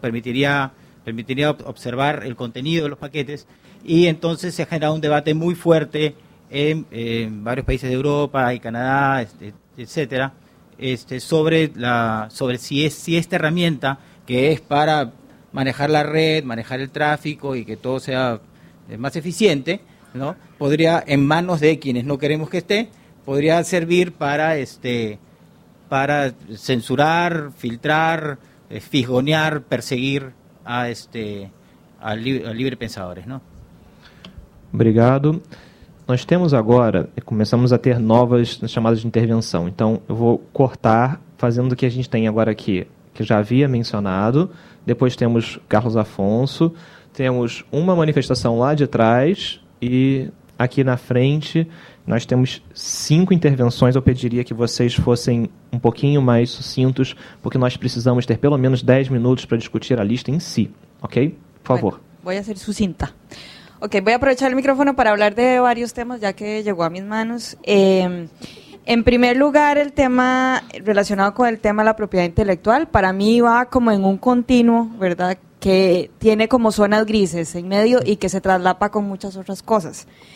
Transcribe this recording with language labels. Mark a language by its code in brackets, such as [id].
[es] Permitiría observar el contenido de los paquetes y entonces se ha generado un debate muy fuerte en varios países de Europa y Canadá, etcétera, sobre si esta herramienta, que es para manejar la red, manejar el tráfico y que todo sea más eficiente, ¿no? Podría, en manos de quienes no queremos que esté, podría servir para censurar, filtrar, fisgonear, perseguir a libre pensadores, ¿no? [pt] Obrigado. Nós temos agora, começamos a ter novas chamadas de intervenção. Então, eu vou cortar fazendo o que a gente tem agora aqui, que já havia mencionado. Depois temos Carlos Afonso, temos uma manifestação lá de trás e aqui na frente nós temos 5 intervenções. Eu pediria que vocês fossem um pouquinho mais sucintos, porque nós precisamos ter pelo menos 10 minutos para discutir a lista em si, ok? Por favor. [es] Bueno, voy a ser sucinta. Ok, voy a aprovechar el micrófono para hablar de varios temas, ya que llegó a mis manos. En primer lugar, el tema relacionado con el tema de la propiedad intelectual, para mí va como en un continuo, ¿verdad?, que tiene como zonas grises en medio y que se traslapa con muchas otras cosas.